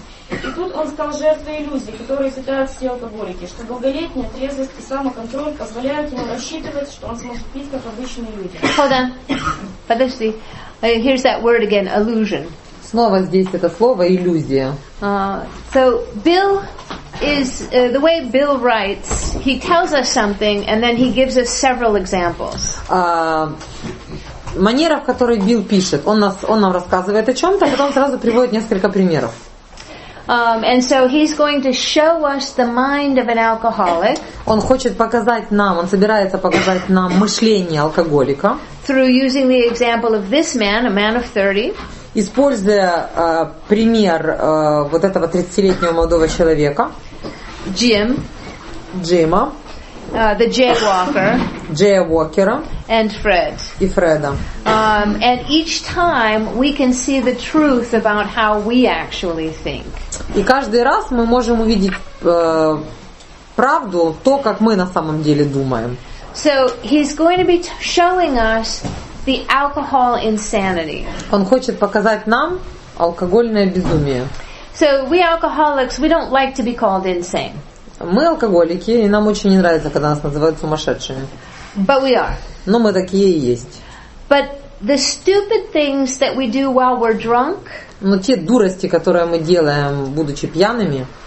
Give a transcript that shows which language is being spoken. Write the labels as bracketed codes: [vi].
[ru] И тут он стал жертвой иллюзий, которые питают все алкоголики, что долголетняя трезвость и самоконтроль позволяют ему рассчитывать, что он сможет пить, как обычные люди. [en] Hold on. [ru] Подожди. [en] Here's that word again, illusion. [ru] Снова здесь это слово иллюзия. [en] So Bill is the way Bill writes. He tells us something, and then he gives us several examples. [ru] Манера, в которой Билл пишет, он нам рассказывает о чем-то, а потом сразу приводит несколько примеров. [en] And so he's going to show us the mind of an alcoholic. [ru] Он хочет показать нам, он собирается показать нам мышление алкоголика. [en] Through using the example of this man, a man of 30. [ru] Используя пример вот этого 30-летнего молодого человека. [en] Jim. [ru] Джима. [en] The jaywalker. [ru] Джейвокера. [en] And Fred. [ru] И Фреда. [en] And each time we can see the truth about how we actually think. [ru] И каждый раз мы можем увидеть правду, то, как мы на самом деле думаем. [en] So he's going to be showing us the alcohol insanity. [ru] Он хочет показать нам алкогольное безумие. [en] So we alcoholics, we don't like to be called insane. [ru] Мы алкоголики, и нам очень не нравится, когда нас называют сумасшедшими. [en] But we are. [ru] Но мы такие и есть. [en] But the stupid things that we do while we're drunk. [ru] Но те дурости, которые мы делаем, будучи пьяными.